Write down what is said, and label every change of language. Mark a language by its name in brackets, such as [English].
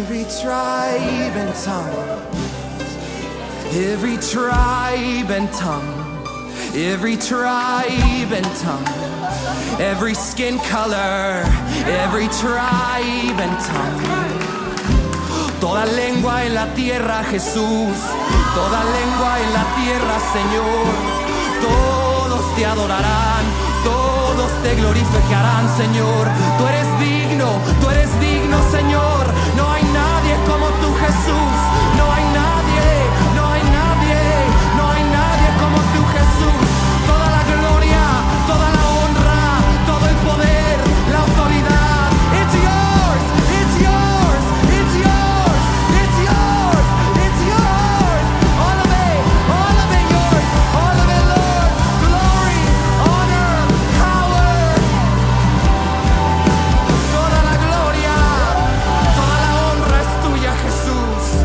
[English] tribe and tongue, every tribe and tongue, every tribe and tongue, every skin color, every tribe and tongue. [Spanish] Toda lengua en la tierra, Jesús. Toda lengua en la tierra, Señor. Todos te adorarán, todos te glorificarán, Señor. Tú eres digno, Señor. No hay nadie como tú, Jesús. No hay nadie, no hay nadie, no hay nadie como tú, Jesús. Toda la gloria, toda la honra, todo el poder, la autoridad. [English] It's yours, it's yours, it's yours, it's yours, it's yours. All of it yours, all of it Lord. Glory, honor, power. [Spanish] Toda la gloria, toda la honra es tuya, Jesús.